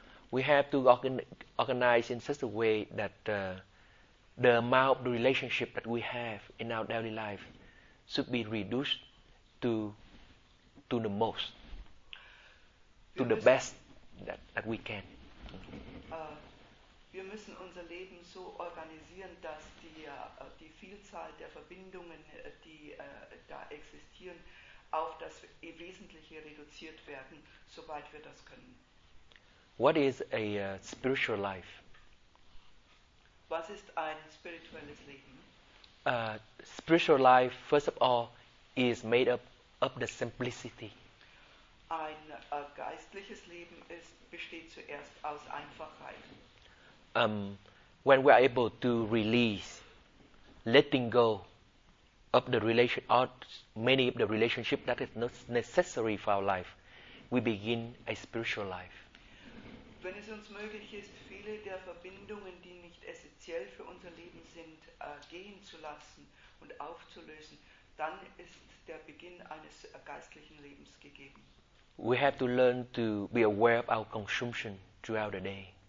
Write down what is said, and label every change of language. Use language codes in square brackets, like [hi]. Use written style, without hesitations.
[en] We have to organize in such a way that the amount of the relationship that we have in our daily life should be reduced to the most, to the best that we can. [de] Wir müssen unser Leben so organisieren, dass die Vielzahl der Verbindungen, die da existieren, auf das Wesentliche reduziert werden, soweit wir das können. [en] What is a spiritual life? [de] Was ist ein spirituelles Leben? [en] Spiritual life, first of all, is made up of the simplicity. [de] Ein geistliches Leben besteht zuerst aus Einfachheit. [en] When we are able to release, letting go of the relation, or many of the relationship that is not necessary for our life, we begin a spiritual life. [de] Wenn es uns möglich ist, viele der Verbindungen, die nicht essentiell für unser Leben sind, gehen zu lassen und aufzulösen, dann ist der Beginn eines geistlichen Lebens gegeben. [en] We have to learn to be aware of our consumption throughout the day.